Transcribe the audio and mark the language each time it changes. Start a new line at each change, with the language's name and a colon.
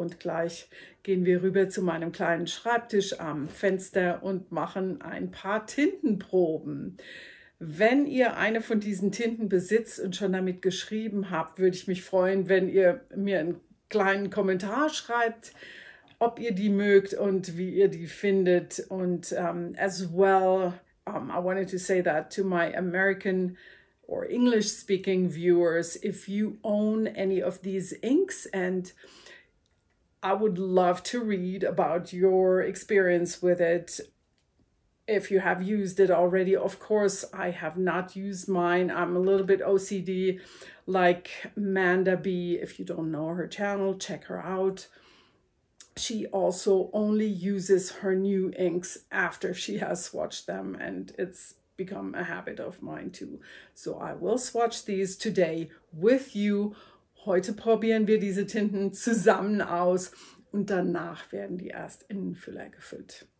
German: Und gleich gehen wir rüber zu meinem kleinen Schreibtisch am Fenster und machen ein paar Tintenproben. Wenn ihr eine von diesen Tinten besitzt und schon damit geschrieben habt, würde ich mich freuen, wenn ihr mir einen kleinen Kommentar schreibt, ob ihr die mögt und wie ihr die findet.
English: Und as well, I wanted to say that to my American or English speaking viewers, if you own any of these inks, and I would love to read about your experience with it. If you have used it already, of course, I have not used mine. I'm a little bit OCD like Manda B. If you don't know her channel, check her out. She also only uses her new inks after she has swatched them, and it's become a habit of mine too. So I will swatch these today with you.
German: Heute probieren wir diese Tinten zusammen aus und danach werden die erst in den Füller gefüllt.